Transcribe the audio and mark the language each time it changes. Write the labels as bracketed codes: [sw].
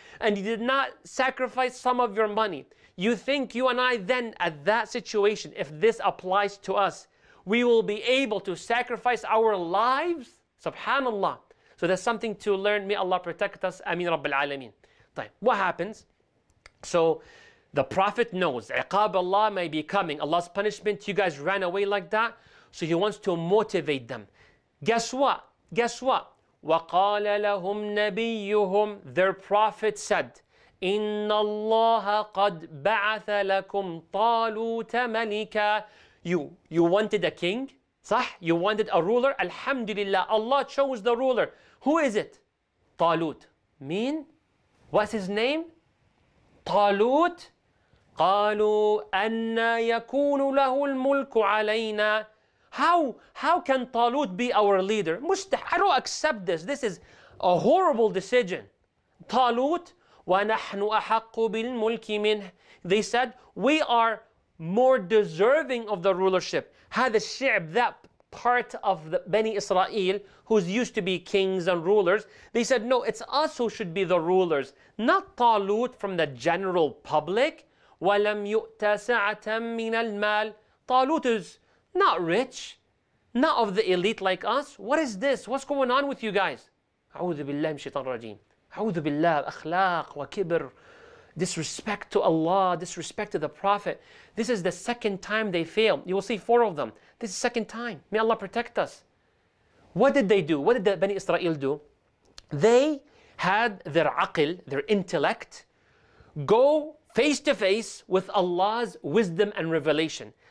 [en] And you did not sacrifice some of your money. You think you and I then, at that situation, if this applies to us, we will be able to sacrifice our lives? Subhanallah. So that's something to learn. May Allah protect us. Ameen Rabbil Alameen. What happens? So the Prophet knows, Iqab Allah may be coming. Allah's punishment, you guys ran away like that. So he wants to motivate them. Guess what? Guess what? [ar] وَقَالَ لَهُمْ نَبِيُّهُمْ [en] Their Prophet said, [ar] إِنَّ اللَّهَ قَدْ بَعَثَ لَكُمْ طَالُوتَ مَلِكًا [en] You wanted a king? [ar] صح? [en] You wanted a ruler? Alhamdulillah, Allah chose the ruler. Who is it? طالوت. Mean? What's his name? طالوت. [ar] قَالُوا أَنَّا يَكُونُ لَهُ الْمُلْكُ عَلَيْنَا [en] How can طالوت be our leader? [ar] مستح. I don't accept this. [en] This is a horrible decision. [ar] طالوت. وَنَحْنُ أَحَقُّ بِالْمُلْكِ مِنْهِ [en] They said, we are more deserving of the rulership. [ar] هذا الشعب, [en] that part of the Bani Israel, who's used to be kings and rulers, they said, no, it's us who should be the rulers, not طالوت from the general public. [ar] وَلَمْ يُؤْتَ سَعَةً مِنَ الْمَالِ [en] طالوت is not rich, not of the elite like us. What is this? What's going on with you guys? [ar] أعوذ بالله من الشيطان الرجيم أعوذ بالله أخلاق وكبر [en] disrespect to Allah, disrespect to the Prophet. This is the second time they fail. You will see four of them. This is the second time. May Allah protect us. What did they do? What did the Bani Israel do? They had their aql, their intellect, go face to face with Allah's wisdom and revelation.